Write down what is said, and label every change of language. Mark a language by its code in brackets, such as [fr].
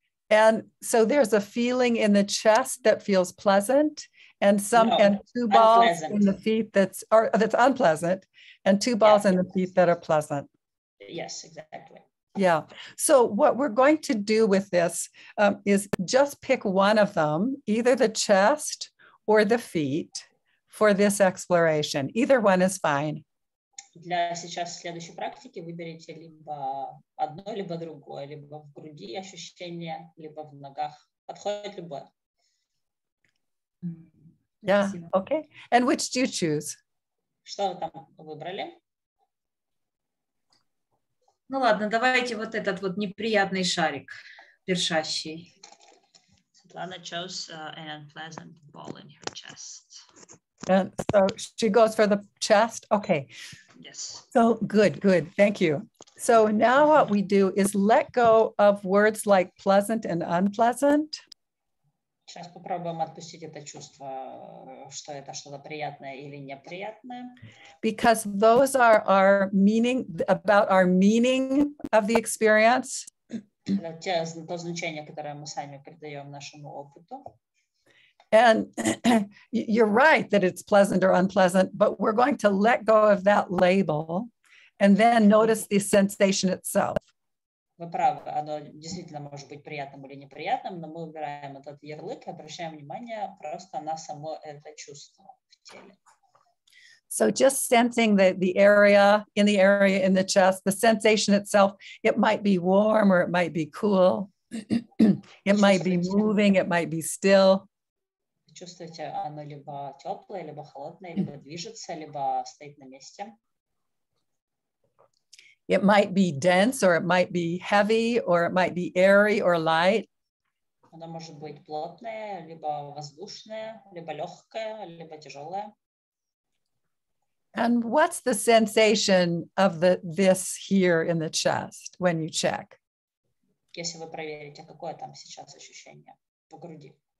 [en] And so there's a feeling in the chest that feels pleasant, and two balls in the feet that's unpleasant, and two balls in the feet that are pleasant. Yes, exactly. Yeah. So what we're going to do with this is just pick one of them, either the chest or the feet, for this exploration. Either one is fine. [ru] Для сейчас следующей практики выберите либо одно, либо другое, либо в груди ощущение, либо в ногах. Подходит любое. [en] Yeah. Okay. And which do you choose? [ru] Что вы там выбрали? Ну ладно, давайте вот этот вот неприятный шарик, першащий. [en] Светлана chose an unpleasant ball in her chest. And so she goes for the chest? Okay. Yes. So good, good. Thank you. So now what we do is let go of words like pleasant and unpleasant. [ru] Сейчас попробуем отпустить это чувство, что это что-то приятное или неприятное. [en] Because those are our meaning, about our meaning of the experience. [ru] То значение, которое мы сами придаем нашему опыту. [en] And you're right that it's pleasant or unpleasant, but we're going to let go of that label and then notice the sensation itself. [ru] Вы правы, оно действительно может быть приятным или неприятным, но мы убираем этот ярлык и обращаем внимание просто на само это чувство в теле. [en] So just sensing the area, in the area, in the chest, the sensation itself, it might be warm or it might be cool. It might be moving, it might be still. [ru] Чувствуете, оно либо теплое, либо холодное, либо движется, либо стоит на месте. [en] It might be dense, or it might be heavy, or it might be airy or light. [ru] Оно может быть плотное, либо воздушное, либо легкое, либо тяжелое. [en] And what's the sensation of this here in the chest when you check? [ru] Если вы проверите, какое там сейчас ощущение по груди?